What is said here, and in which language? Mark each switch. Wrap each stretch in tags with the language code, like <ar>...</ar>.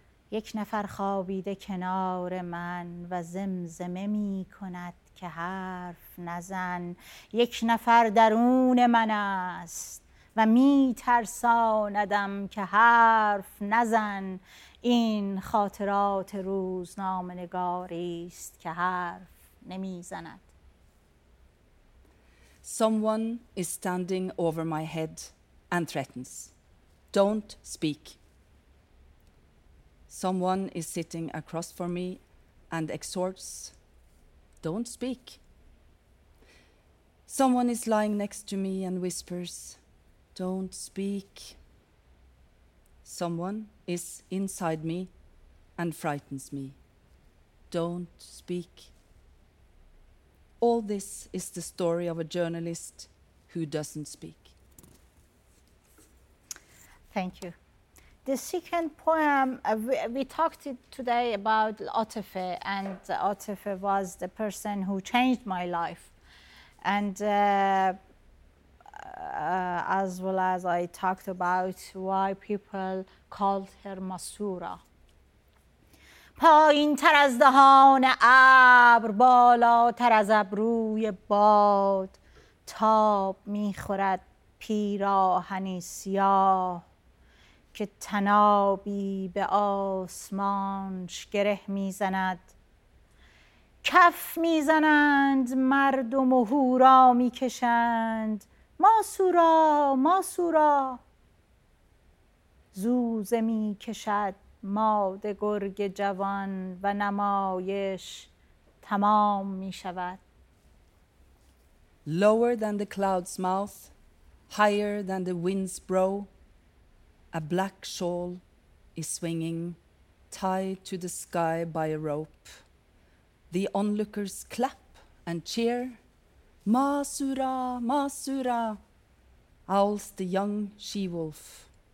<fa>یک نفر خوابیده کنار من و زمزمه می کند که حرف نزن. یک نفر درون من است و می ترساندم که حرف نزن. این خاطرات روزنامه نگاری است که حرف نمی زند.</fa> <en>Someone is standing over my head and threatens. Don't speak. Someone is sitting across from me and exhorts, don't speak. Someone is lying next to me and whispers, don't speak. Someone is inside me and frightens me, don't speak. All this is the story of a journalist who doesn't speak. Thank you. The second poem, we talked today about Atefe, and Atefe was the person who changed my life. And as well as I talked about why people called her Masura.</en> <fa>پایین تر از دهان ابر بالا تر از ابروی باد تاب میخورد پیراهنی سیاه که تنابی به آسمانش گره میزند. کف میزنند مردم و هورا میکشند ماسورا ماسورا. زوزه میکشد ماده گرگ جوان و نمایش تمام میشود.</fa> <en>Lower than the cloud's mouth, higher than the wind's brow, a black shawl is swinging, tied to the sky by a rope. The onlookers clap and cheer. Masura, Masura, howls the young she-wolf.</en>